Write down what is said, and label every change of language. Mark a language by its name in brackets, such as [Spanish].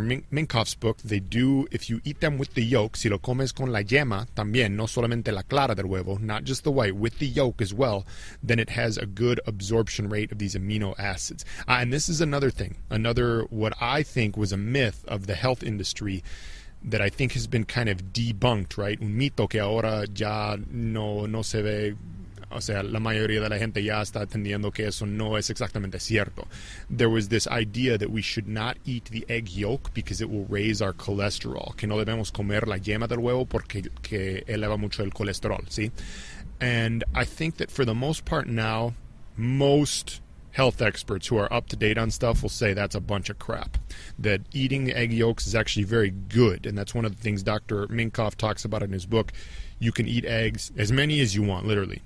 [English] Minkoff's book, they do, if you eat them with the yolk, [Spanish] si lo comes con la yema, también, no solamente la clara del huevo, [English] not just the white, with the yolk as well, then it has a good absorption rate of these amino acids. And this is another thing, another what I think was a myth of the health industry that I think has been kind of debunked, right? [Spanish] Un mito que ahora ya no se ve. O sea, la mayoría de la gente ya está entendiendo que eso no es exactamente cierto. [English] There was this idea that we should not eat the egg yolk because it will raise our cholesterol. [Spanish] Que no debemos comer la yema del huevo porque que eleva mucho el colesterol, ¿sí? [English] And I think that for the most part now, most health experts who are up to date on stuff will say that's a bunch of crap. That eating the egg yolks is actually very good. And that's one of the things Dr. Minkoff talks about in his book. You can eat eggs as many as you want, literally.